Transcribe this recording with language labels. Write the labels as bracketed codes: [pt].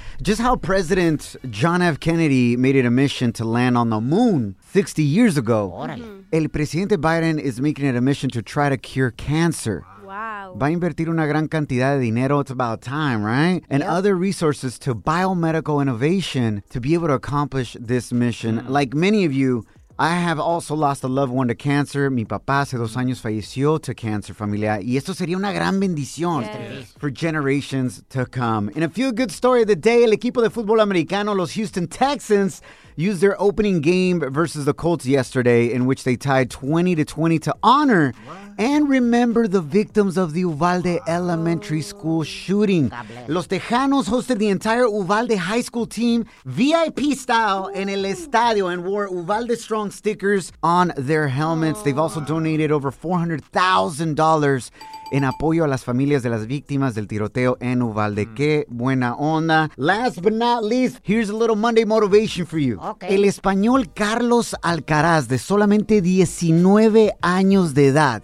[en] Just how President John F. Kennedy made it a mission to land on the moon 60 years ago. [es] Órale. El presidente [en] Biden is making it a mission to try to cure cancer. [es] Va a invertir una gran cantidad de dinero, [en] it's about time, right? And other resources to biomedical innovation to be able to accomplish this mission. Mm. Like many of you, I have also lost a loved one to cancer. [es] Mi papá hace 2 años falleció [en] to cancer, [es] familia. Y esto sería una gran bendición [en] for generations to come. In a feel-good story of the day, [es] el equipo de fútbol americano, [en] los Houston Texans, used their opening game versus the Colts yesterday, in which they tied 20-20 to honor and remember the victims of the Uvalde Elementary School shooting. Los Tejanos hosted the entire Uvalde High School team VIP style in [es] el estadio [en] and wore Uvalde Strong stickers on their helmets. They've also donated over $400,000 [es] en apoyo a las familias de las víctimas del tiroteo en Uvalde. Qué buena onda. [en] Last but not least, here's a little Monday motivation for you. Okay. [es] El español Carlos Alcaraz, de solamente 19 años de edad.